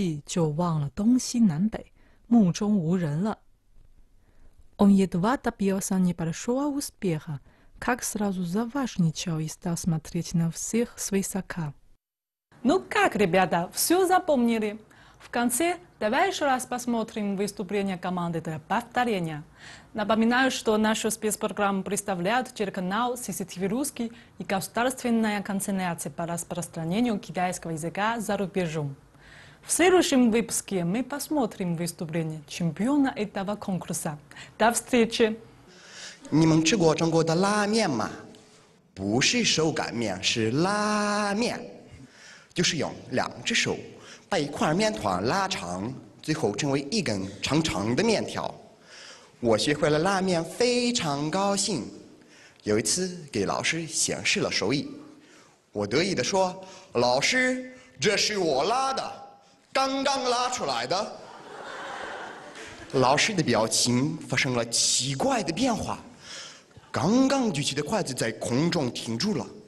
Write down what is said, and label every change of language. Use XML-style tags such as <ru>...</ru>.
<zh>他刚取得了一点成绩,就忘了东西南北. 目中无人了.</zh> <ru>Он едва добился небольшого успеха, как сразу заважничал и стал смотреть на всех свысока. Ну как, ребята, все запомнили? В конце давай еще раз посмотрим выступление команды для повторения. Напоминаю, что нашу спецпрограмму представляют телеканал CCTV Русский и Государственная консенсация по распространению китайского языка за рубежом. В следующем выпуске мы посмотрим выступление чемпиона этого конкурса. До встречи!</ru> <zh>你们吃过中国的拉面吗?不是手擀面,是拉面。就是用两只手 把一块面团拉长，最后成为一根长长的面条。我学会了拉面，非常高兴。有一次给老师显示了手艺，我得意地说：“老师，这是我拉的，刚刚拉出来的。”老师的表情发生了奇怪的变化，刚刚举起的筷子在空中停住了。</zh>